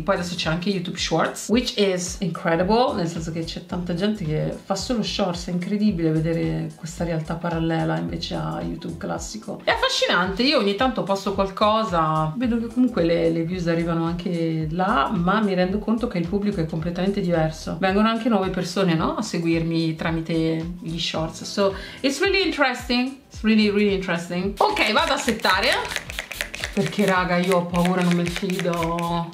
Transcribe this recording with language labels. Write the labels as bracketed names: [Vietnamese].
[Italian] Poi adesso c'è anche YouTube Shorts, [English] which is incredible, [Italian] nel senso che c'è tanta gente che fa solo shorts, è incredibile vedere questa realtà parallela invece a YouTube classico. È affascinante, io ogni tanto posto qualcosa, vedo che comunque le views arrivano anche là, ma mi rendo conto che il pubblico è completamente diverso. Vengono anche nuove persone, no? A seguirmi tramite gli shorts. [English] So it's really interesting, it's really really interesting. [Italian] Ok, vado a settare, perché raga io ho paura, non mi fido.